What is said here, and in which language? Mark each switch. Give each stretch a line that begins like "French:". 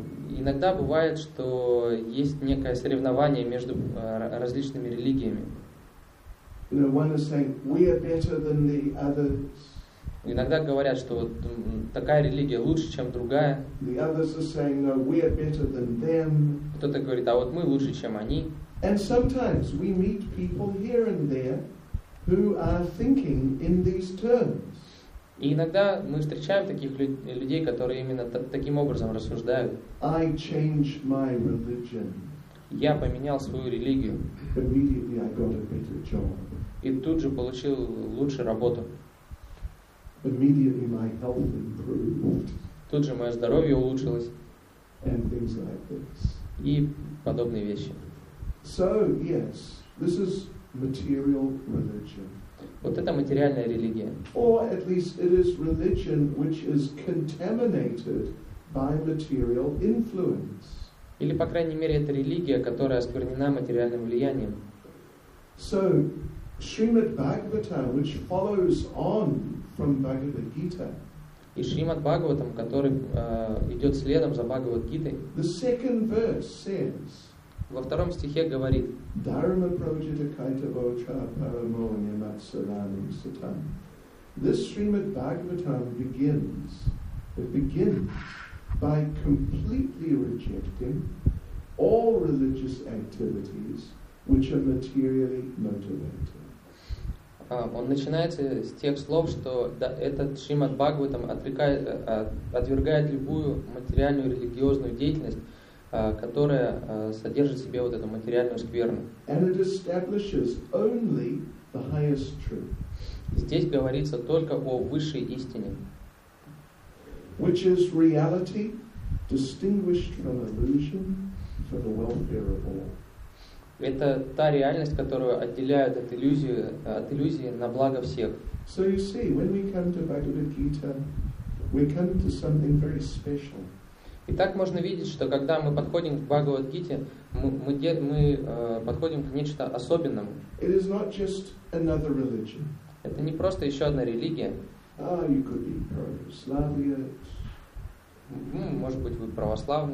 Russian: Иногда бывает, что есть некое соревнование между различными религиями.
English: You know, one is saying, we are better than the others.
Russian: Иногда говорят, что вот такая религия лучше, чем другая.
English: The others are saying, no, we are better than them.
Russian: Кто-то говорит, а вот мы лучше, чем они.
English: And sometimes we meet people here and there who are thinking in these terms.
Russian: И иногда мы встречаем таких людей, которые именно таким образом рассуждают.
English: I change my religion.
Russian: Я поменял свою религию.
English: Immediately I got a better job.
Russian: И тут же получил лучшую работу.
English: Immediately my health improved.
Russian: Тут же мое здоровье улучшилось.
English: And things like this.
Russian: И подобные вещи.
English: So, yes, this is material religion.
Russian: Вот это материальная религия.
English: Or at least it is religion which is contaminated by material influence.
Russian: Или, по крайней мере, это религия, которая осквернена материальным влиянием.
English: So, Srimad Bhagavatam, which follows on from Bhagavad Gita.
Russian: И Шримад Бхагаватам, который идет следом за Бхагавад Гитой.
English: The second verse says.
Russian: Во втором стихе говорит.
Sanskrit: Dharma Projita Kaitavocha Paramo Nyamat Sarani Satam.
English: This Srimad Bhagavatam begins. It begins by completely rejecting all religious activities which are materially motivated.
Russian: Он начинается с тех слов, что этот Шримад Бхагаватам отвергает любую материальную религиозную деятельность, которая содержит в себе вот эту материальную скверну.
English: And it establishes only the highest truth.
Russian: Здесь говорится только о высшей истине.
English: Which is reality distinguished from illusion for the welfare of all.
Russian: Это та реальность, которую отделяют от иллюзии, на благо всех.
English: So you see, when we come to Bhagavad Gita, we come to something very special.
Russian: Итак, можно видеть, что когда мы подходим к Бхагавад Гите, мы подходим к нечто особенному.
English: It is not just another religion.
Russian: Это не просто еще одна религия.
English: Ah, you could be Pro-Slavic.
Russian: Может быть, вы православный.